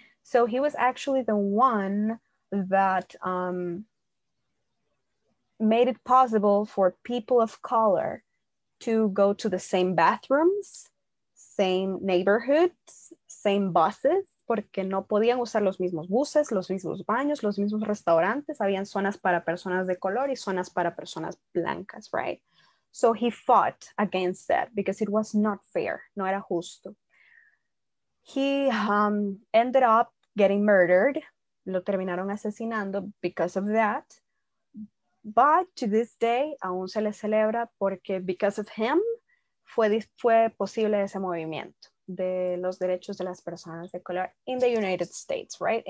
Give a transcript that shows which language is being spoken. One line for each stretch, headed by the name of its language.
English: So he was actually the one that made it possible for people of color to go to the same bathrooms, same neighborhoods, same buses.
Spanish: Porque no podían usar los mismos buses, los mismos baños, los mismos restaurantes. Habían zonas para personas de color y zonas para personas blancas, right?
English: So he fought against that because it was not fair.
Spanish: No era justo.
English: He ended up getting murdered.
Spanish: Lo terminaron asesinando
English: because of that. But to this day,
Spanish: aún se le celebra porque
English: because of him,
Spanish: fue posible ese movimiento de los derechos de las personas de color
English: in the United States, right?